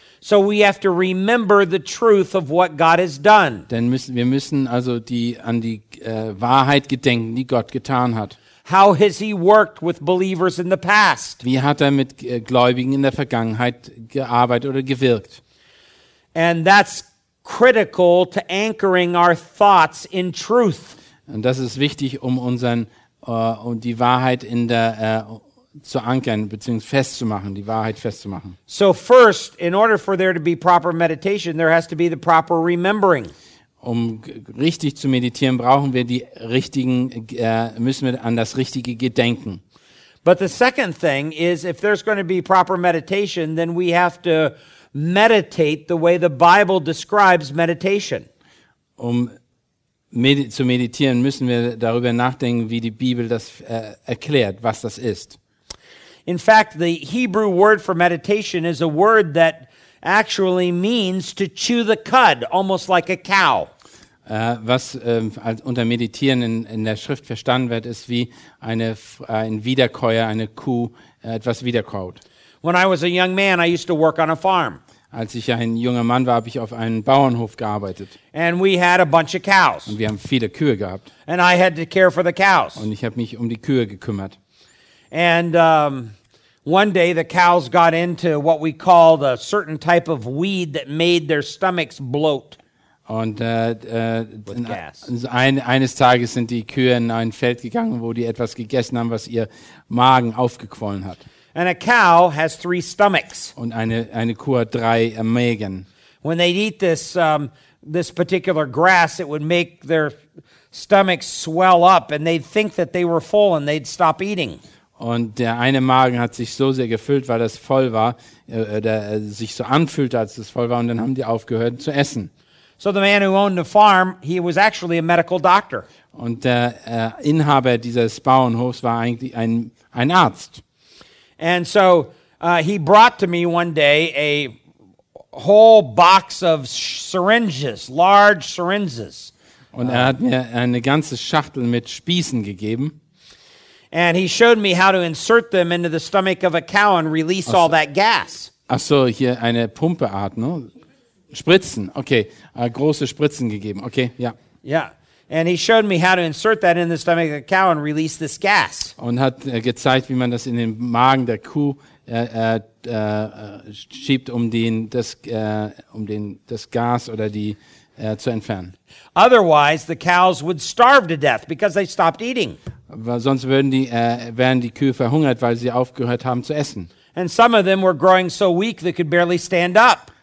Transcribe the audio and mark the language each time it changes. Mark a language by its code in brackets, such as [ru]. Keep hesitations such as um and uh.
[en] So we have to remember the truth of what God has done. [de] Denn müssen, wir müssen also die, an die äh, Wahrheit gedenken, die Gott getan hat. [en] How has he worked with believers in the past? [de] Wie hat er mit Gläubigen in der Vergangenheit gearbeitet oder gewirkt? [en] And that's critical to anchoring our thoughts in truth. [de] Und das ist wichtig, um unseren so first, [en] in order for there to be proper meditation, there has to be the proper remembering. [de] Um richtig zu meditieren, brauchen wir die richtigen uh, müssen wir an das richtige gedenken. [en] But the second thing is if there's going to be proper meditation, then we have to meditate the way the Bible describes meditation. [de] Um Medi zu meditieren, müssen wir darüber nachdenken, wie die Bibel das äh, erklärt, was das ist. [en] In fact, the Hebrew word for meditation is a word that actually means to chew the cud, almost like a cow. [de] Uh, was ähm, als unter Meditieren in, in, der Schrift verstanden wird, ist wie eine, ein Wiederkäuer, eine Kuh, äh, etwas wiederkaut. [en] When I was a young man, I used to work on a farm. [de] Als ich ein junger Mann war, habe ich auf einem Bauernhof gearbeitet. Und wir haben viele Kühe gehabt. Und ich habe mich um die Kühe gekümmert. And, um, Und äh, äh in, ein, eines Tages sind die Kühe in ein Feld gegangen, wo die etwas gegessen haben, was ihr Magen aufgequollen hat. [en] And a cow has three stomachs. [de] Und eine, eine Kuh drei äh, Mägen. [en] When they would eat this, um, this particular grass, it would make their stomachs swell up and they'd think that they were full and they'd stop eating. [de] Und der eine Magen hat sich so sehr gefüllt, weil das voll war, äh, der, äh, sich so anfühlte, als es voll war, und dann hm. haben die aufgehört zu essen. [en] So the man who owned the farm, he was actually a medical doctor. [de] Und der äh, Inhaber dieses Bauernhofs war eigentlich ein, ein Arzt. [en] And so uh, he brought to me one day a whole box of syringes, large syringes. [de] Und er hat mir eine ganze Schachtel mit Spießen gegeben. [en] And he showed me how to insert them into the stomach of a cow and release Aus all that gas. [de] Ach so, hier eine Pumpe Art, ne? No? Spritzen. Okay, uh, große Spritzen gegeben. Okay, Yeah. [en] Yeah. And he showed me how to insert that in the stomach of a cow and release this gas. [de] Und hat uh, gezeigt, wie man das in den Magen der Kuh uh, uh, schiebt, um den das um den das Gas oder die zu entfernen. [en] Otherwise, the cows would starve to death because they stopped eating. [de] sonst würden die wären die Kühe verhungert, weil sie aufgehört haben zu essen. [en] And some of them were growing so weak they could barely stand up.